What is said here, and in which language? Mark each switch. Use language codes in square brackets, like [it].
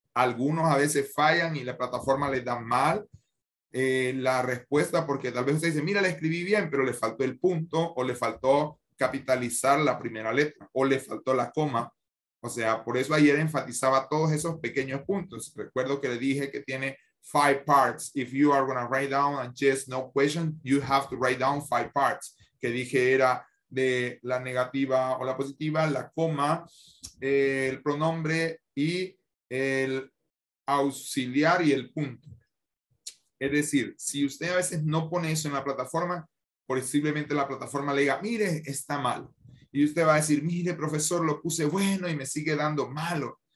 [es] Algunos a veces fallan y la plataforma les da mal la respuesta porque tal vez usted dice, mira, le escribí bien, pero le faltó el punto o le faltó capitalizar la primera letra o le faltó la coma. O sea, por eso ayer enfatizaba todos esos pequeños puntos. Recuerdo que le dije que tiene 5 parts. [en] If you are going to write down a yes, no question, you have to write down 5 parts. [es] Que dije era de la negativa o la positiva, la coma, el pronombre y el auxiliar y el punto. Es decir, si usted a veces no pone eso en la plataforma, posiblemente la plataforma le diga, mire, está malo. Y usted va a decir, mire, profesor, lo puse bueno y me sigue dando malo.